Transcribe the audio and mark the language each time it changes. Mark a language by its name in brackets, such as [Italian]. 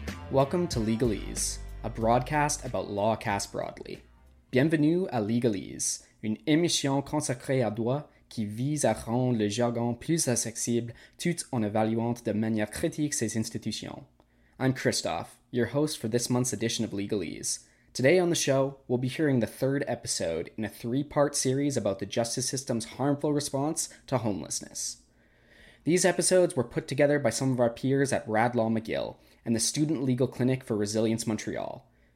[English] Welcome to Legalese, a broadcast about law cast broadly. [French] Bienvenue à Legalese, une émission consacrée à droit qui vise à rendre le jargon plus accessible tout en évaluant de manière critique ses institutions. [English] I'm Christophe, your host for this month's edition of Legalese. Today on the show, we'll be hearing the third episode in a three-part series about the justice system's harmful response to homelessness. These episodes were put together by some of our peers at Radlaw McGill and the Student Legal Clinic for Resilience Montreal.